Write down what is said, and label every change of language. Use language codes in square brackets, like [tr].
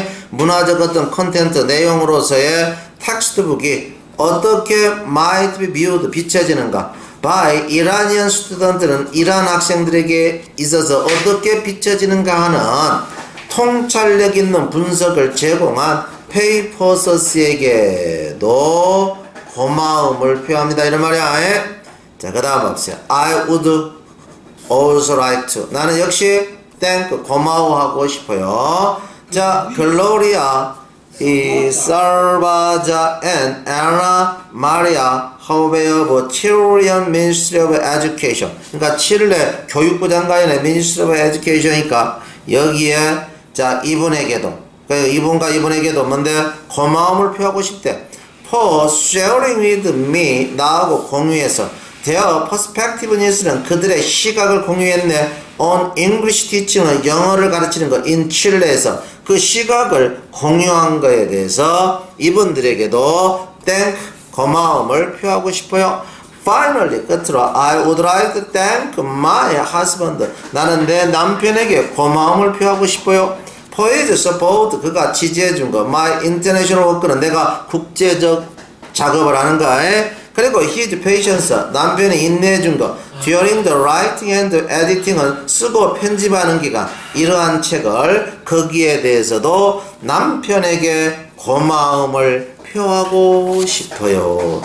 [ko] 문화적 어떤 컨텐츠 내용으로서의 텍스트북이 어떻게 [en] might be viewed, [ko] 비춰지는가, by Iranian student는 이란 학생들에게 있어서 어떻게 비춰지는가 하는 통찰력 있는 분석을 제공한 페이퍼서스에게도 고마움을 표합니다, 이런 말이야. 자, 그 다음 봅시다. [en] I would also like to, 나는 역시 thank, [ko] 고마워하고 싶어요. 자, Gloria, Sarvaja and Anna Maria Hove of Chilean Ministry of Education, 그러니까 칠레 교육부 장관의 Ministry of Education이니까 여기에, 자, 이분에게도, 그러니까 이분과 이분에게도 뭔데, 고마움을 표하고 싶대. [en] For sharing with me, [ko] 나하고 공유해서, their perspective는 그들의 시각을 공유했네, [en] on English teaching [ko] 은 영어를 가르치는 것, in 칠레에서 그 시각을 공유한 것에 대해서 이분들에게도 thank, 고마움을 표하고 싶어요. [en] Finally, 끝으로 I would like to thank my husband, [ko] 나는 내 남편에게 고마움을 표하고 싶어요. [en] For his support, [ko] 그가 지지해 준 것, [en] my international work [ko] 는 내가 국제적 작업을 하는 거에, 그리고 his patience, 남편이 인내해 준 것, [en] during the writing and editing [ko] 은 쓰고 편집하는 기간, 이러한 책을, 거기에 대해서도 남편에게 고마움을 표하고 싶어요.